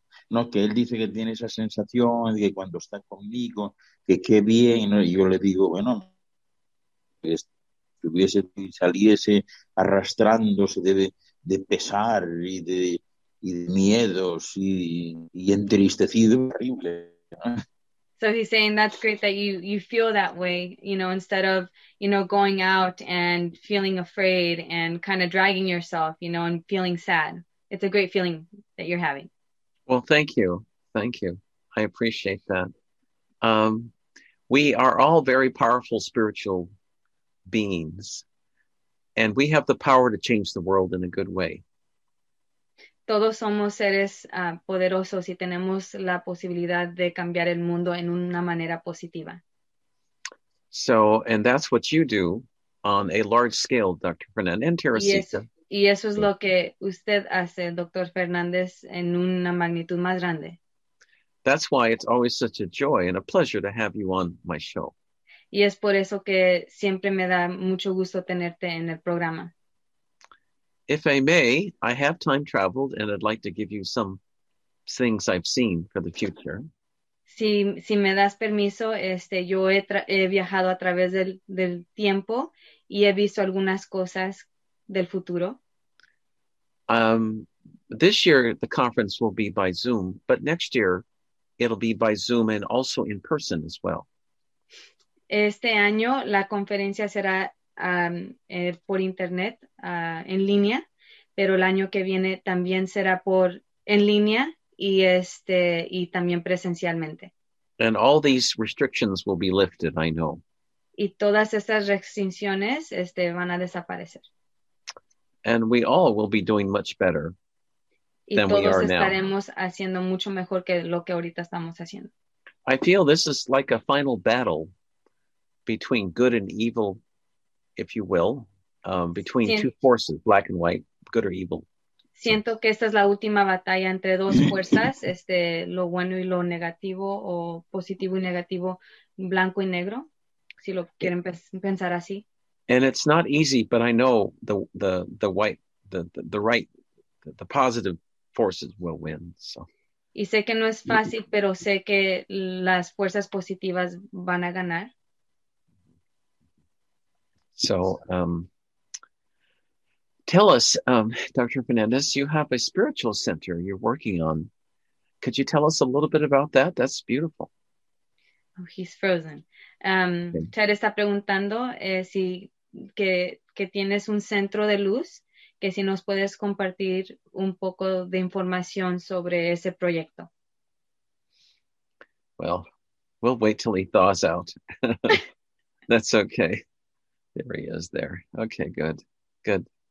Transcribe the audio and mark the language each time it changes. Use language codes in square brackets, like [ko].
[es] No, que él dice que tiene esa sensación de que cuando está conmigo, que qué bien, ¿no? Y yo le digo, bueno, estuviese saliese arrastrándose de pesar y de miedos y entristecido, horrible, ¿no? [en] So he's saying that's great that you feel that way, you know, instead of, you know, going out and feeling afraid and kind of dragging yourself, you know, and feeling sad. It's a great feeling that you're having. Well, thank you. Thank you. I appreciate that. We are all very powerful spiritual beings and we have the power to change the world in a good way. [es] Todos somos seres poderosos y tenemos la posibilidad de cambiar el mundo en una manera positiva. [en] So, and that's what you do on a large scale, Dr. Fernandez, and Teresita. [es] Y eso es lo que usted hace, Dr. Fernandez, en una magnitud más grande. [en] That's why it's always such a joy and a pleasure to have you on my show. [es] Y es por eso que siempre me da mucho gusto tenerte en el programa. [en] If I may, I have time traveled and I'd like to give you some things I've seen for the future. [es] Si me das permiso, yo he viajado a través del tiempo y he visto algunas cosas del futuro. [en] This year, the conference will be by Zoom, but next year, it'll be by Zoom and also in person as well. [es] Este año, la conferencia será por internet, en línea, pero el año que viene también será por en línea y también presencialmente. [en] And all these restrictions will be lifted, I know. [es] Y todas estas restricciones van a desaparecer. [en] And we all will be doing much better than we are now. [es] Y todos estaremos haciendo mucho mejor que lo que ahorita estamos haciendo. [en] I feel this is like a final battle between good and evil, if you will, between two forces, black and white, good or evil. [es] Siento que esta es la última batalla entre dos fuerzas, lo bueno y lo negativo, o positivo y negativo, blanco y negro, si lo quieren pensar así. [en] And it's not easy, but I know the positive forces will win. So. [es] Y sé que no es fácil, pero sé que las fuerzas positivas van a ganar. [en] So, tell us, Dr. Fernandez, you have a spiritual center you're working on. Could you tell us a little bit about that? That's beautiful. Oh, he's frozen. [es] Ted está preguntando si que tienes un centro de luz, que si nos puedes compartir un poco de información sobre ese proyecto. [en] Well, we'll wait till he thaws out. That's okay. There he is there. Okay, good. Good.